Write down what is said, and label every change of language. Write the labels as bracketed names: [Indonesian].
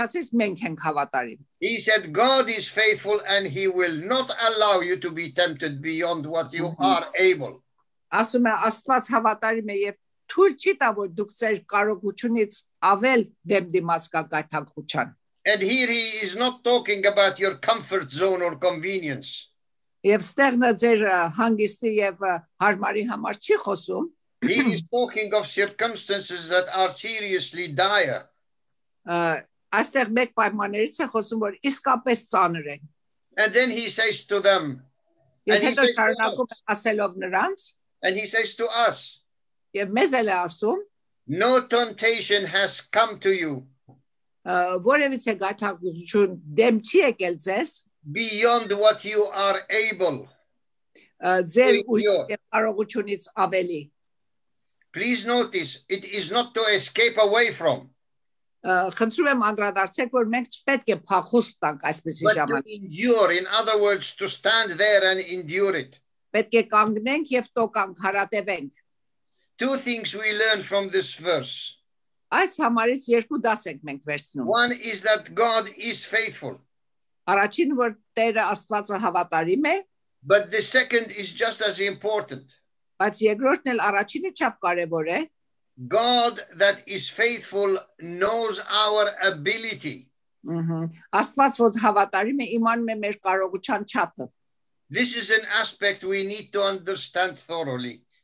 [English] He said, God is faithful and he will not allow you to be tempted beyond what you are able. [Armenian] Ասում է, Աստված հավատարիմ է եւ թույլ չի տա, որ դուք ձեր կարողությունից ավել դեմ դիմաս կգայթակղության. [English] And here he is not talking about your comfort zone or convenience. [Armenian] Եվ ստեղնա ձեր հանգստի եւ հարմարի համար չի խոսում. [English] He is talking of circumstances that are seriously dire. [Armenian] Այստեղ մեկ պայմաններից է խոսում, որ իսկապես ծանր են. [English] And then he says to them. [Armenian] Եվ հետո շարունակում է ասելով նրանց. [English] And he says to us, [Armenian] yeah, մեզ էլ ասում, [English] no temptation has come to you. [Armenian] Որևից է գայթակղություն դեմ չի եկել ձեզ. [English] Beyond what you are able. [Armenian] Ձեր կարողությունից ավելի. [English] Please notice, it is not to escape away from. [Armenian] Խնդրում եմ անդրադարձեք, որ մենք չպետք է փախուստ տանք այսպիսի ժամանակ. [English] But to endure, in other words, to stand there and endure it. [Armenian] Պետք է կանգնենք եւ տոկանք հարատևենք. [English] Two things we learn from this verse. [Armenian] Այս համարից երկու դաս ենք մենք վերցնում. [English] One is that God is faithful. [Armenian] Առաջին, որ Տերը Աստվածը հավատարիմ է. [English] But the second is just as important. [Armenian] Բայց երկրորդն էլ առաջինը չափ կարևոր է. [English] God that is faithful knows our ability. [Armenian] Աստված, որ հավատարիմ է, իմանում է մեր կարողության չափը. [English] This is an aspect we need to understand thoroughly.